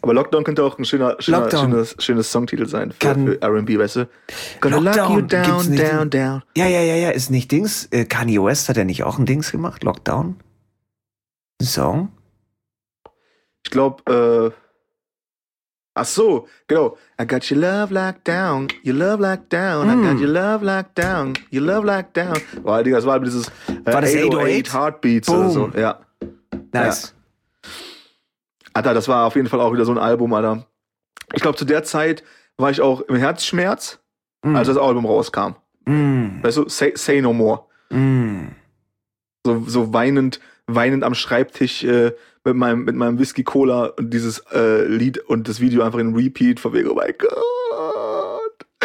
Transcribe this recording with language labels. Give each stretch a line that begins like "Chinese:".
German: Aber Lockdown könnte auch ein schönes Songtitel sein für R&B, weißt du?
English: Gonna lock you down.
German: Ja, ist nicht Dings. Kanye West, hat er nicht auch ein Dings gemacht? Lockdown? Song? Ich glaube, Ach so, genau.
English: I got your love locked down, your love locked down, I got your love locked down, your love locked down.
German: Boah, Digga, das war halt dieses war das 808 Heartbeats Boom. Oder so. Ja. Nice. Ja. Alter, das war auf jeden Fall auch wieder so ein Album, Alter. Ich glaube, zu der Zeit war ich auch im Herzschmerz, als das Album rauskam. Weißt du,
English: say no more.
German: So weinend am Schreibtisch mit meinem Whisky Cola und dieses Lied und das Video einfach in Repeat von wegen, oh mein Gott.